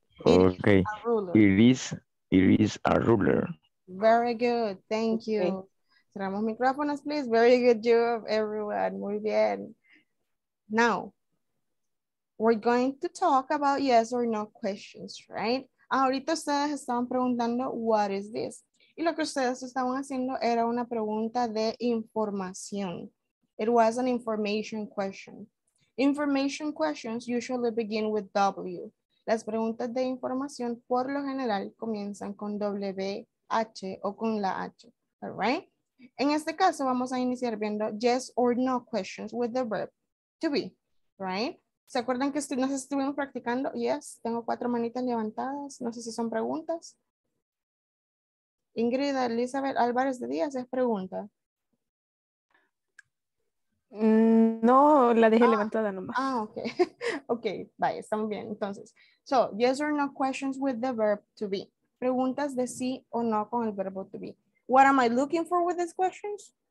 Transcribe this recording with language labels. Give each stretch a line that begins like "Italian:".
English: Okay. It is a ruler. Very good. Thank you. Okay.
Spanish: Cerramos micrófonos,
English: please. Very good job, everyone.
Spanish: Muy bien.
English: Now, we're going to talk about yes or no questions, right?
Spanish: Ahorita ustedes estaban preguntando,
English: what is this?
Spanish: Y lo que ustedes estaban haciendo era una pregunta de información.
English: It was an information question. Information questions usually begin with W.
Spanish: Las preguntas de información por lo general comienzan con WH o con la H.
English: All right?
Spanish: En este caso vamos a iniciar viendo
English: yes or no questions with the verb to be. Right?
Spanish: ¿Se acuerdan que nos estuvimos practicando? Yes, tengo cuatro manitas levantadas. No sé si son preguntas. Ingrid Elizabeth Álvarez de Díaz es pregunta. No, la dejé levantada nomás. Ah, ok. Ok, vaya, estamos bien. Entonces,
English: so, yes or no questions with the verb to be.
Spanish: Preguntas de sí o no con el verbo to be.
English: What am I looking for with these questions?